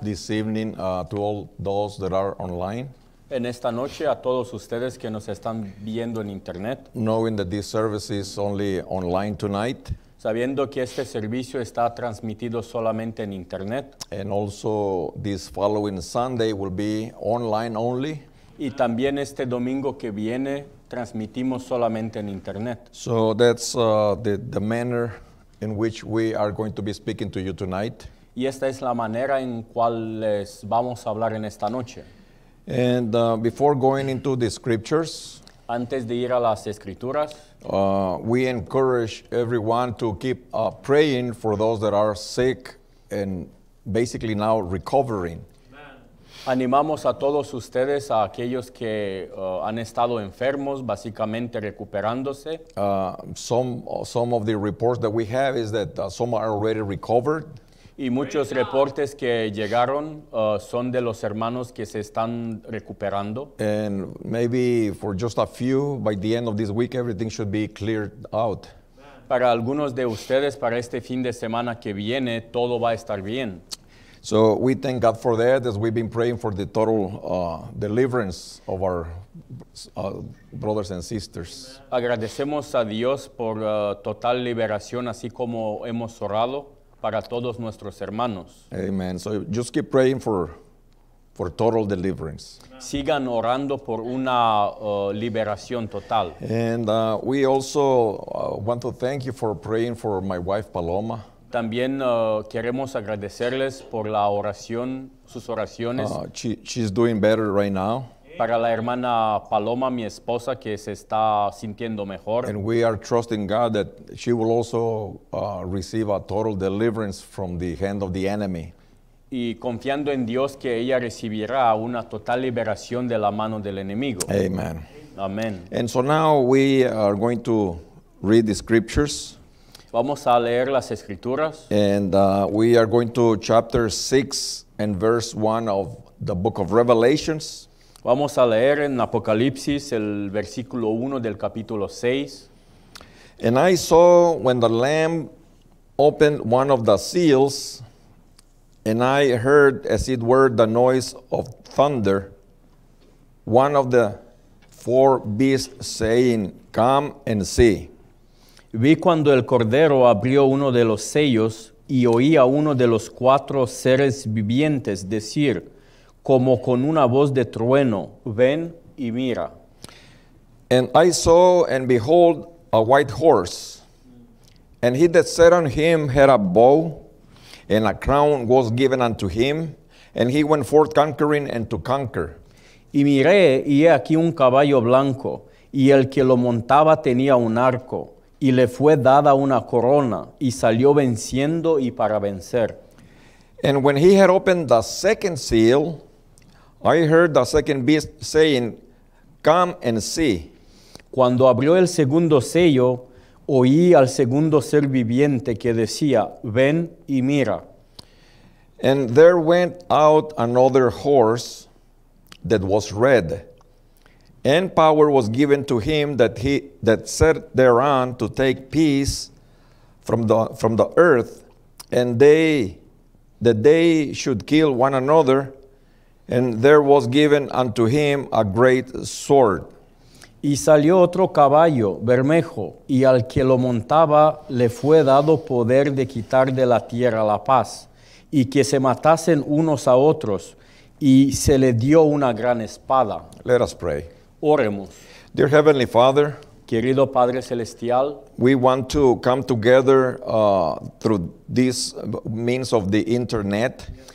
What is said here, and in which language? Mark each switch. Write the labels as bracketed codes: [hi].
[en] This evening, to all those that are online. [es] En esta noche a todos ustedes que nos están viendo en internet. [en] Knowing that this service is only online tonight. [es] Sabiendo que este servicio está transmitido solamente en internet. [en] And also this following Sunday will be online only. [es] Y también este domingo que viene transmitimos solamente en internet. [en] So that's the manner in which we are going to be speaking to you tonight. [es] Y esta es la manera en cual les vamos a hablar en esta noche. [en] And before going into the scriptures. [es] Antes de ir a las escrituras. [en] We encourage everyone to keep praying for those that are sick and basically now recovering. [es] Animamos a todos ustedes, a aquellos que han estado enfermos, básicamente recuperándose. [en] Some of the reports that we have is that some are already recovered. [es] Y muchos reportes que llegaron son de los hermanos que se están recuperando. [en] And maybe for just a few, by the end of this week, everything should be cleared out. [es] Para algunos de ustedes, para este fin de semana que viene, todo va a estar bien. [en] So we thank God for that as we've been praying for the total deliverance of our brothers and sisters. [es] Agradecemos a Dios por total liberación, así como hemos orado. Para todos nuestros hermanos. [en] Amen. So just keep praying for for total deliverance. [es] Sigan orando por una liberación total. [en] And we also want to thank you for praying for my wife Paloma. [es] También queremos agradecerles por la oración, sus oraciones. [en] She's doing better right now. [es] Para la hermana Paloma, mi esposa, que se está sintiendo mejor. [en] And we are trusting God that she will also receive a total deliverance from the hand of the enemy. [es] Y confiando en Dios que ella recibirá una total liberación de la mano del enemigo. [en] Amen. [es] Amen. [en] And so now we are going to read the scriptures. [es] Vamos a leer las escrituras. [en] And we are going to chapter 6 and verse 1 of the book of Revelations. [es] Vamos a leer en Apocalipsis el versículo 1 del capítulo 6. [en] And I saw when the Lamb opened one of the seals, and I heard as it were the noise of thunder, one of the four beasts saying, come and see. [es] Vi cuando el Cordero abrió uno de los sellos y oí a uno de los cuatro seres vivientes decir, como con una voz de trueno, ven y mira. [en] And I saw and behold a white horse, and he that sat on him had a bow, and a crown was given unto him, and he went forth conquering and to conquer. [es] Y miré, y he aquí un caballo blanco, y el que lo montaba tenía un arco, y le fue dada una corona, y salió venciendo y para vencer. [en] And when he had opened the second seal, I heard the second beast saying, come and see. [es] Cuando abrió el segundo sello, oí al segundo ser viviente que decía, ven y mira. [en] And there went out another horse that was red. And power was given to him that sat thereon to take peace from the earth, and that they should kill one another. And there was given unto him a great sword. [es] Y salió otro caballo, bermejo, y al que lo montaba le fue dado poder de quitar de la tierra la paz, y que se matasen unos a otros, y se le dio una gran espada. [en] Let us pray. [es] Oremos. [en] Dear Heavenly Father, [es] querido Padre Celestial, [en] we want to come together through this means of the internet.